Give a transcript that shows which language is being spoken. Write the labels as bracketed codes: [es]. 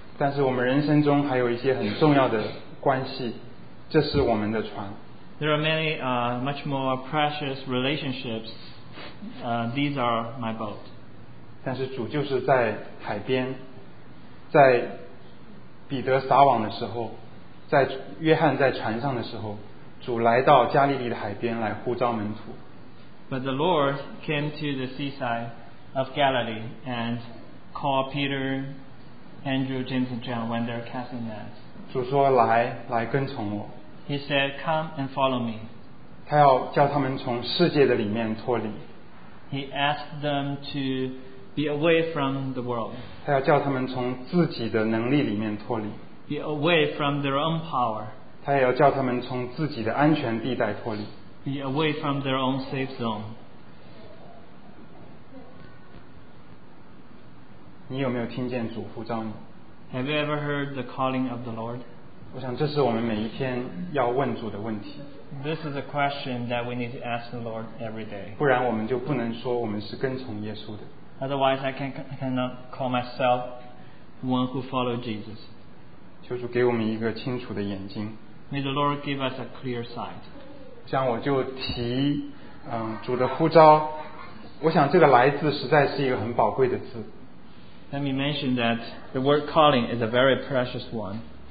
[zh] 但是我们人生中还有一些很重要的关系，这是我们的船。 [en] There are many much more precious relationships. These are my boat. [zh] 但是主就是在海边，在彼得撒网的时候，在约翰在船上的时候，主来到加利利的海边来呼召门徒。 [en] But the Lord came to the seaside of Galilee and called Peter, Andrew, James, and John when they're casting nets. [zh] 主说来跟从我。 [en] He said, "Come and follow me." [zh] 他要叫他们从世界的里面脱离。 [en] He asked them to be away from the world. [zh] 他要叫他们从自己的能力里面脱离。 [en] Be away from their own power. [zh] 他也要叫他们从自己的安全地带脱离。 [en] Be away from their own safe zone. [zh] 你有没有听见主呼召你？ [en] Have you ever heard the calling of the Lord? [zh] 我想这是我们每一天要问主的问题。 [en] This is a question that we need to ask the Lord every day. [zh] 不然我们就不能说我们是跟从耶稣的。 [en] Otherwise, I cannot call myself one who followed Jesus. [zh] 求主给我们一个清楚的眼睛。 [en] May the Lord give us a clear sight. [zh] 像我就提主的呼召，我想这个来字实在是一个很宝贵的字。 [en] Let me mention that the word calling is a very precious one.